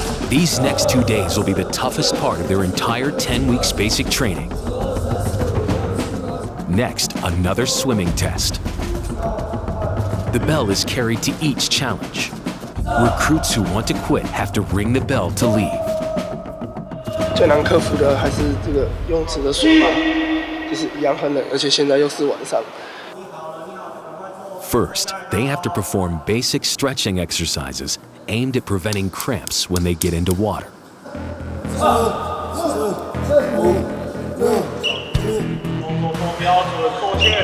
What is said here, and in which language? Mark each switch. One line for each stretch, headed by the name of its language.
English: These next 2 days will be the toughest part of their entire 10 weeks basic training. Next, another swimming test. The bell is carried to each challenge. Recruits who want to quit have to ring the bell to leave.
Chinese: 最难克服的还是这个泳池的水吧。就是一样很冷，而且现在又是晚上。
English: First, they have to perform basic stretching exercises aimed at preventing cramps when they get into water.
Chinese: 四、五、六、七、八、九、十、